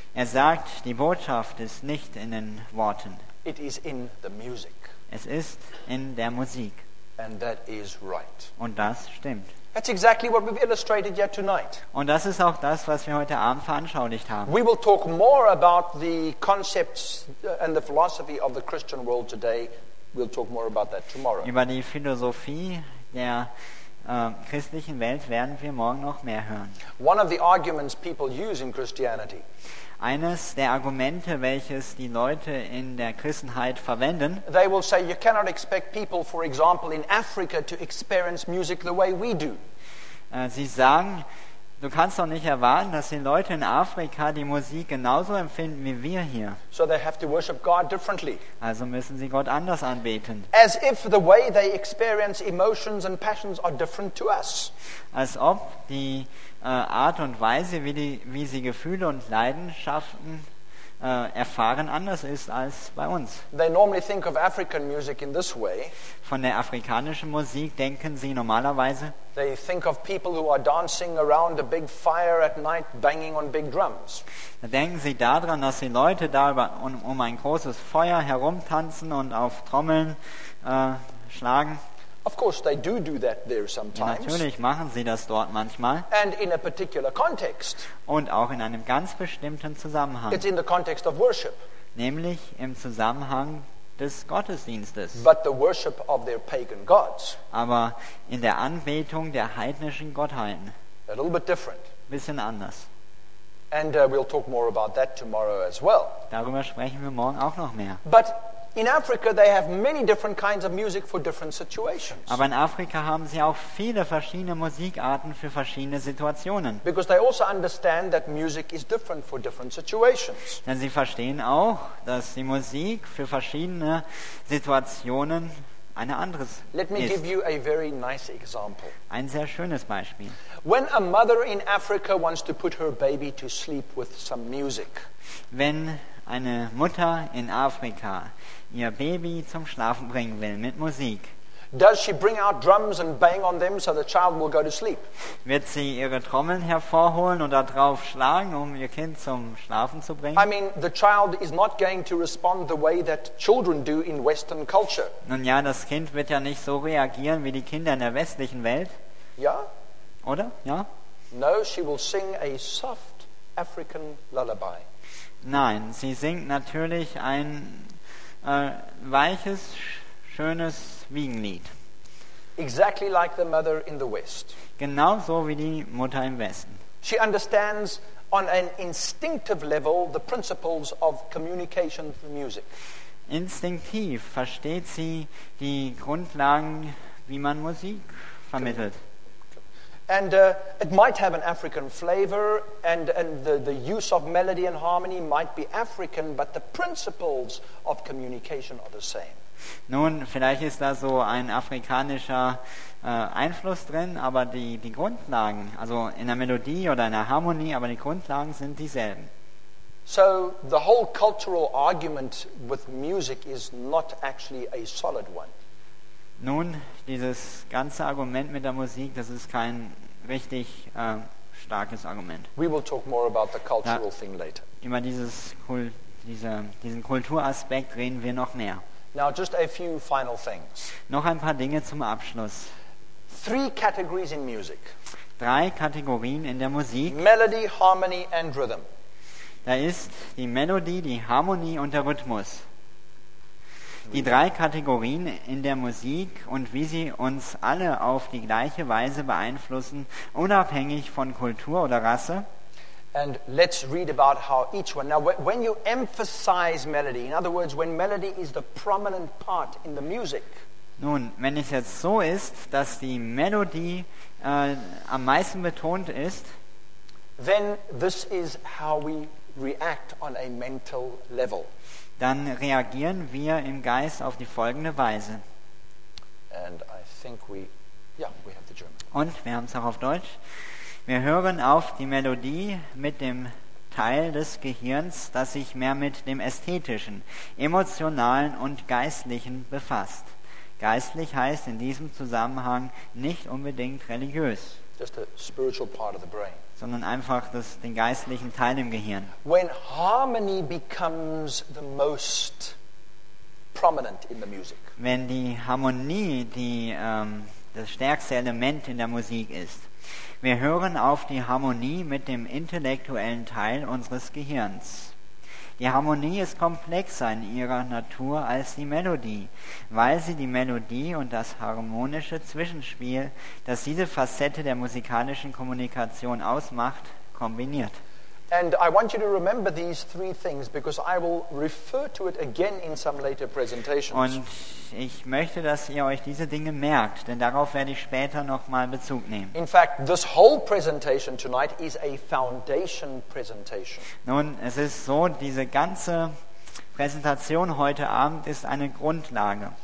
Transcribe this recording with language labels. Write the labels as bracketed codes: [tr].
[de] Er sagt, die Botschaft ist nicht in den Worten. [en] It is in the music. [de] Es ist in der Musik. [en] And that is right. [de] Und das stimmt. [en] That's exactly what we've illustrated yet tonight. [de] Und das ist auch das, was wir heute Abend veranschaulicht haben. [en] We will talk more about the concepts and the philosophy of the Christian world today. We'll talk more about that tomorrow. [de] Über die Philosophie der christlichen Welt werden wir morgen noch mehr hören. [en] One of the arguments people use in Christianity. [de] Eines der Argumente, welches die Leute in der Christenheit verwenden. [en] They will say you cannot expect people, for example, in Africa to experience music the way we do. [de] Sie sagen, du kannst doch nicht erwarten, dass die Leute in Afrika die Musik genauso empfinden wie wir hier. [en] So they have to worship God differently. [de] Also müssen sie Gott anders anbeten. [en] As if the way they experience emotions and passions are different to us. [de] Als ob die Art und Weise, wie sie Gefühle und Leidenschaften erfahren, anders ist als bei uns. [en] They normally think of African music in this way. [de] Von der afrikanischen Musik denken sie normalerweise. [en] They think of people who are dancing around a big fire at night, banging on big drums. [de] Da denken sie daran, dass die Leute da um ein großes Feuer herumtanzen und auf Trommeln schlagen. [en] Of course, they do that there sometimes. [de] Natürlich machen sie das dort manchmal. [en] And in a particular context. [de] Und auch in einem ganz bestimmten Zusammenhang. [en] It's in the context of worship. [de] Nämlich im Zusammenhang des Gottesdienstes. [en] But the worship of their pagan gods. [de] Aber in der Anbetung der heidnischen Gottheiten. [en] A little bit different. [de] Bisschen anders. [en] And we'll talk more about that tomorrow as well. [de] Darüber sprechen wir morgen auch noch mehr. [en] But in Africa they have many different kinds of music for different situations. [de] Aber in Afrika haben sie auch viele verschiedene Musikarten für verschiedene Situationen. [en] Because they also understand that music is different for different situations. [de] Denn sie verstehen auch, dass die Musik für verschiedene Situationen eine andere ist. [en] Let me give you a very nice example. [de] Ein sehr schönes Beispiel. [en] When a mother in Africa wants to put her baby to sleep with some music. [de] Wenn eine Mutter in Afrika ihr Baby zum Schlafen bringen will mit Musik. [en] Does she bring out drums and bang on them so the child will go to sleep? [de] Wird sie ihre Trommeln hervorholen und darauf schlagen, um ihr Kind zum Schlafen zu bringen? [en] I mean, the child is not going to respond the way that children do in Western culture. [de] Nun ja, das Kind wird ja nicht so reagieren wie die Kinder in der westlichen Welt. Ja? Oder? Ja? [en] No, she will sing a soft African lullaby. [de] Nein, sie singt natürlich ein weiches, schönes Wiegenlied. [en] Exactly like the mother in the West. [de] Genauso wie die Mutter im Westen. [en] She understands on an instinctive level the principles of communication through music. [de] Instinktiv versteht sie die Grundlagen, wie man Musik vermittelt. [en] And it might have an African flavor, and the use of melody and harmony might be African, but the principles of communication are the same. [de] Nun, vielleicht ist da so ein afrikanischer Einfluss drin, aber die Grundlagen, also in der Melodie oder in der Harmonie, aber die Grundlagen sind dieselben. [en] So the whole cultural argument with music is not actually a solid one. [de] Nun, dieses ganze Argument mit der Musik, das ist kein richtig starkes Argument. [en] We will talk more about the cultural thing later. [de] Über diesen Kulturaspekt reden wir noch mehr. [en] Now just a few final things. [de] Noch ein paar Dinge zum Abschluss. [en] Three categories in music. [de] Drei Kategorien in der Musik. [en] Melody, harmony and rhythm. [de] Da ist die Melodie, die Harmonie und der Rhythmus. Die drei Kategorien in der Musik und wie sie uns alle auf die gleiche Weise beeinflussen, unabhängig von Kultur oder Rasse. [en] And let's read about how each one. Now, when you emphasize melody, in other words, when melody is the prominent part in the music. [de] Nun, wenn es jetzt so ist, dass die Melodie am meisten betont ist, [en] then this is how we react on a mental level. [de] Dann reagieren wir im Geist auf die folgende Weise. [en] And I think we have the German. [de] Und wir haben es auch auf Deutsch. Wir hören auf die Melodie mit dem Teil des Gehirns, das sich mehr mit dem Ästhetischen, Emotionalen und Geistlichen befasst. Geistlich heißt in diesem Zusammenhang nicht unbedingt religiös. [en] Just the spiritual part of the brain. [de] Sondern einfach den geistlichen Teil im Gehirn. [en] When harmony becomes the most prominent in the music. [de] Wenn die Harmonie das stärkste Element in der Musik ist. Wir hören auf die Harmonie mit dem intellektuellen Teil unseres Gehirns. Die Harmonie ist komplexer in ihrer Natur als die Melodie, weil sie die Melodie und das harmonische Zwischenspiel, das diese Facette der musikalischen Kommunikation ausmacht, kombiniert. [en] And I want you to remember these three things because I will refer to it again in some later presentations. [de] Und ich möchte, dass ihr euch diese Dinge merkt, denn darauf werde ich später nochmal Bezug nehmen. [en] In fact, this whole presentation tonight is a foundation presentation. [de] Nun, es ist so, diese ganze Präsentation heute Abend ist eine Grundlage.